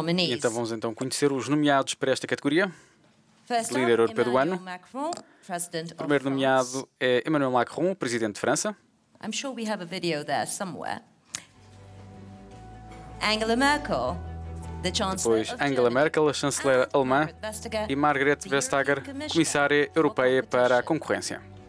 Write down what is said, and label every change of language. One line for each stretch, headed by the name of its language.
Portuguese: Então vamos então conhecer os nomeados para esta categoria de líder europeu do ano. O primeiro nomeado é Emmanuel Macron, presidente de França.
English: I'm sure we have a video there somewhere. Angela Merkel.
Portuguese: Depois Angela Merkel, a chanceler alemã, e Margrethe Vestager, comissária europeia para a concorrência.